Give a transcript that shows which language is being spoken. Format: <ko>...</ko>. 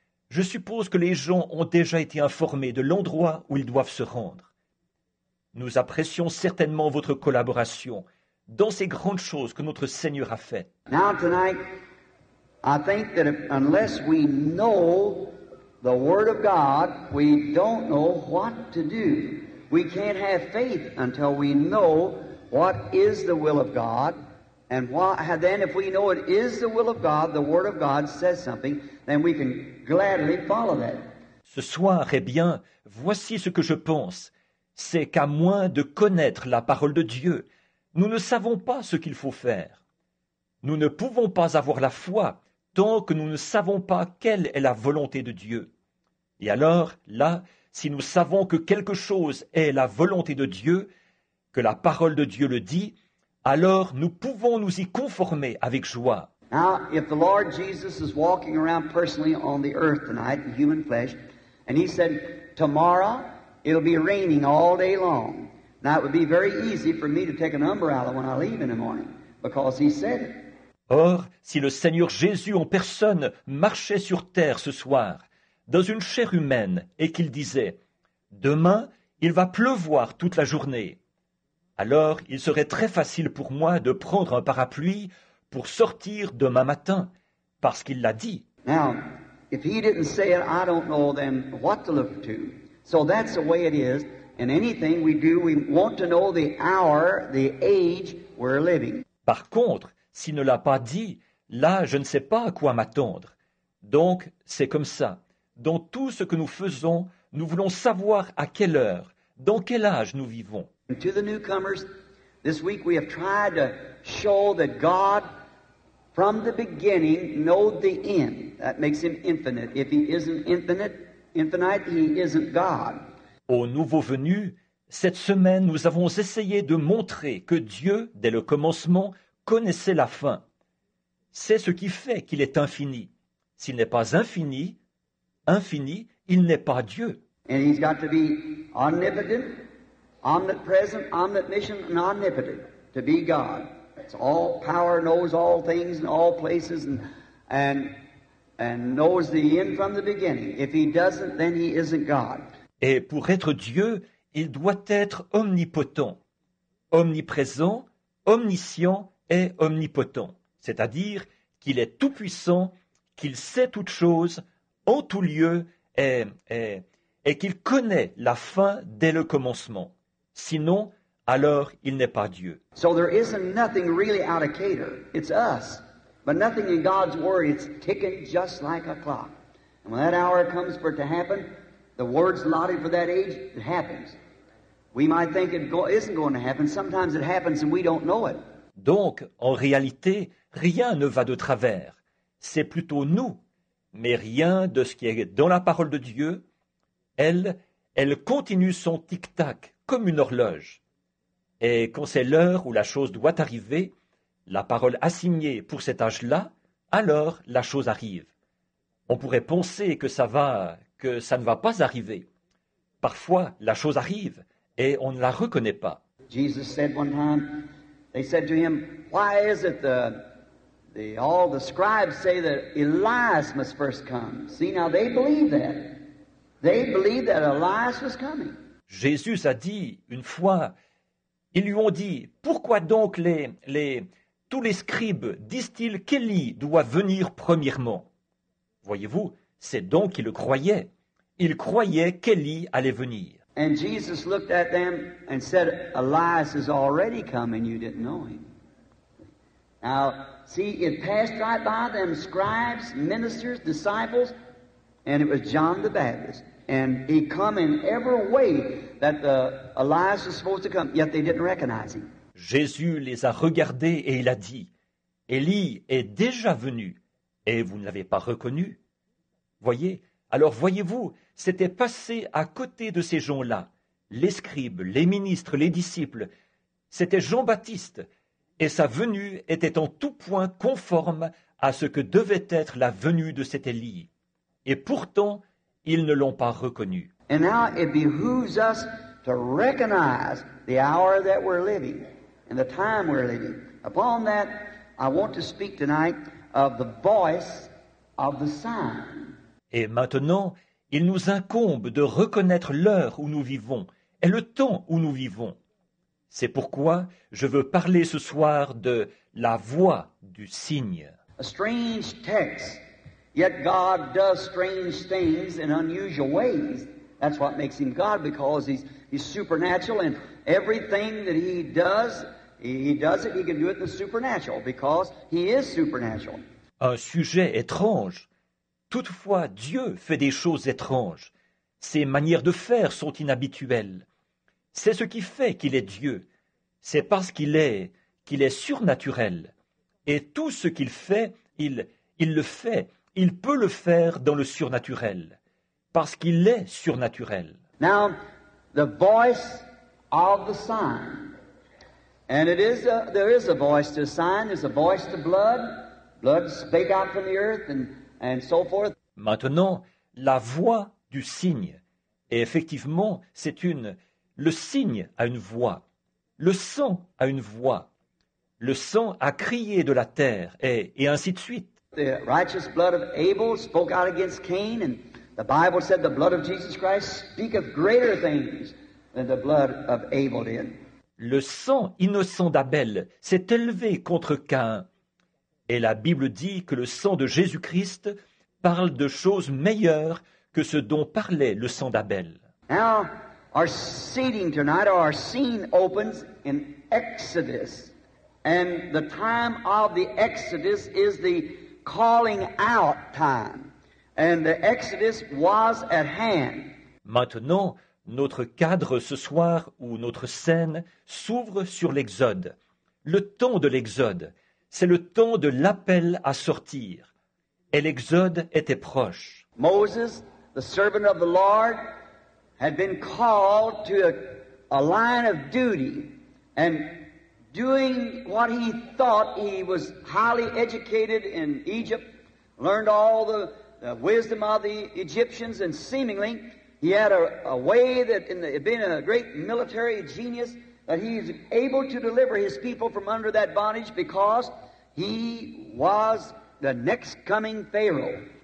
<fr>Je suppose que les gens ont déjà été informés de l'endroit où ils doivent se rendre. Nous apprécions certainement votre collaboration dans ces grandes choses que notre Seigneur a faites.</fr> <en>Now tonight, I think that unless we know the Word of God, we don't know what to do. We can't have faith until we know what is the will of God. And then if we know it is the will of God, the Word of God says something, then we can gladly follow that.</en> <fr>Ce soir, eh bien, voici ce que je pense. C'est qu'à moins de connaître la parole de Dieu, nous ne savons pas ce qu'il faut faire. Nous ne pouvons pas avoir la foi tant que nous ne savons pas quelle est la volonté de Dieu. Et alors, là, si nous savons que quelque chose est la volonté de Dieu, que la parole de Dieu le dit, alors nous pouvons nous y conformer avec joie.</fr> <en>Now, if the Lord Jesus is walking around personally on the earth tonight, in human flesh, and he said, tomorrow it'll be raining all day long. Now, it would be very easy for me to take an umbrella when I leave in the morning, because he said it.</en> <fr>Or, si le Seigneur Jésus en personne marchait sur terre ce soir, dans une chair humaine et qu'il disait « Demain, il va pleuvoir toute la journée », alors il serait très facile pour moi de prendre un parapluie pour sortir demain matin, parce qu'il l'a dit.</fr> <en>Now, if he didn't say it, I don't know then what to look to. So that's the way it is. In anything we do, we want to know the hour, the age we're living.</en> <fr>Par contre, s'il ne l'a pas dit, là, je ne sais pas à quoi m'attendre. Donc, c'est comme ça. Dans tout ce que nous faisons, nous voulons savoir à quelle heure, dans quel âge nous vivons.</fr> <en>And to the newcomers, this week we have tried to show that God, from the beginning, knows the end. That makes him infinite. If he isn't infinite, he isn't God.</en> <fr>Aux nouveaux venus, cette semaine, nous avons essayé de montrer que Dieu, dès le commencement, connaissait la fin. C'est ce qui fait qu'il est infini. S'il n'est pas infini, il n'est pas Dieu.</fr> <en>And he's got to be omnipotent, omnipresent, omniscient, and omnipotent to be God. It's all power, knows all things and all places, and knows the end from the beginning. If he doesn't, then he isn't God.</en> <fr>Et pour être Dieu, il doit être omnipotent, omniprésent, omniscient et omnipotent. C'est-à-dire qu'il est tout-puissant, qu'il sait toutes choses, en tout lieu, et qu'il connaît la fin dès le commencement. Sinon, alors il n'est pas Dieu.</fr> <en>So there isn't nothing really out of cater. It's us. But nothing in God's word, it's ticking just like a clock. And when that hour comes for it to happen, the words allotted for that age, it happens. We might think it isn't going to happen. Sometimes it happens and we don't know it.</en> <fr>Donc, en réalité, rien ne va de travers. C'est plutôt nous. Mais rien de ce qui est dans la parole de Dieu, elle continue son tic-tac comme une horloge. Et quand c'est l'heure où la chose doit arriver, la parole assignée pour cet âge-là, alors la chose arrive. On pourrait penser que ça ne va pas arriver. Parfois, la chose arrive et on ne la reconnaît pas.</fr> <en>Jesus said one time, they said to him, why is it all the scribes say that Elias must first come? See, now they believe that. They believe that Elias was coming.</en> <fr>Jésus a dit une fois, ils lui ont dit, pourquoi donc tous les scribes disent-ils qu'Élie doit venir premièrement? Voyez-vous, c'est donc qu'ils le croyaient. Ils croyaient qu'Élie allait venir.</fr> <en>And Jesus looked at them and said, Elias is already come and you didn't know him. Now, see, it passed right by them, scribes, ministers, disciples, and it was John the Baptist. And he come in every way that Elias was supposed to come, yet they didn't recognize him.</en> <fr>Jésus les a regardés et il a dit, Élie est déjà venu et vous ne l'avez pas reconnu. Voyez, alors voyez-vous, c'était passé à côté de ces gens-là, les scribes, les ministres, les disciples. C'était Jean-Baptiste et sa venue était en tout point conforme à ce que devait être la venue de cet Élie. Et pourtant, ils ne l'ont pas reconnu.</fr> <en>And now it behooves us to recognize the hour that we're living and the time we're living. Upon that, I want to speak tonight of the voice of the sign.</en> <fr>Et maintenant, il nous incombe de reconnaître l'heure où nous vivons et le temps où nous vivons. C'est pourquoi je veux parler ce soir de la voix du signe.</fr> <en>A strange text. Yet God does strange things in unusual ways. That's what makes him God, because he's supernatural, and everything that he does, he does it, he can do it in the supernatural, because he is supernatural.</en> <fr>Un sujet étrange. Toutefois, Dieu fait des choses étranges. Ses manières de faire sont inhabituelles. C'est ce qui fait qu'il est Dieu. C'est parce qu'il est surnaturel. Et tout ce qu'il fait, il le fait. Il peut le faire dans le surnaturel, parce qu'il est surnaturel.</fr> <en>Now, the voice of the sign. And it is there is a voice to a sign, there's a voice to blood. Blood spake out from the earth and so forth.</en> <fr>Maintenant, la voix du signe. Et effectivement, c'est une... Le signe a une voix. Le sang a une voix. Le sang a crié de la terre et ainsi de suite.</fr> <en>The righteous blood of Abel spoke out against Cain, and The Bible said the blood of Jesus Christ speaketh greater things than the blood of Abel did.</en> <fr>Le sang innocent d'Abel s'est élevé contre Caïn. Et la Bible dit que le sang de Jésus-Christ parle de choses meilleures que ce dont parlait le sang d'Abel.</fr> <en>Now, our seating tonight, or our scene opens in Exodus. And the time of the Exodus is the calling out time. And the Exodus was at hand.</en> <fr>Maintenant, notre cadre ce soir, ou notre scène, s'ouvre sur l'Exode. Le temps de l'Exode, c'est le temps de l'appel à sortir. Et l'Exode était proche.</fr> <en>Moses, the servant of the Lord, had been called to a line of duty and doing what he thought he was highly educated in Egypt, learned all the wisdom of the Egyptians, and seemingly he had a way that in the, being a great military genius, that he is able to deliver his people from under that bondage because he was the next coming Pharaoh.</en>